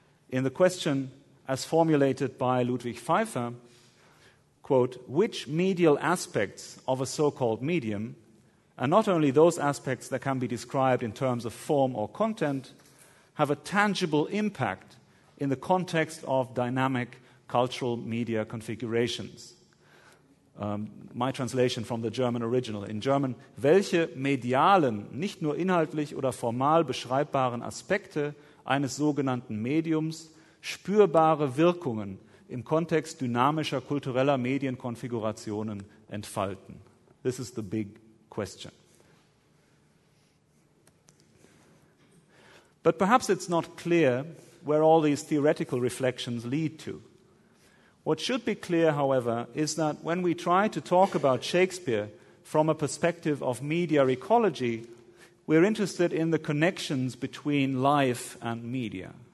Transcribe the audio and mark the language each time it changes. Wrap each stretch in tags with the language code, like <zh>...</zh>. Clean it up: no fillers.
<en>In the question as formulated by Ludwig Pfeiffer, quote, which medial aspects of a so-called medium, and not only those aspects that can be described in terms of form or content, have a tangible impact in the context of dynamic cultural media configurations? My translation from the German original.</en> <de>In German, welche medialen, nicht nur inhaltlich oder formal beschreibbaren Aspekte eines sogenannten Mediums, spürbare Wirkungen im Kontext dynamischer kultureller Medienkonfigurationen entfalten?</de> <en>This is the big question. But perhaps it's not clear where all these theoretical reflections lead to. What should be clear, however, is that when we try to talk about Shakespeare from a perspective of media ecology, we're interested in the connections between life and media.</en>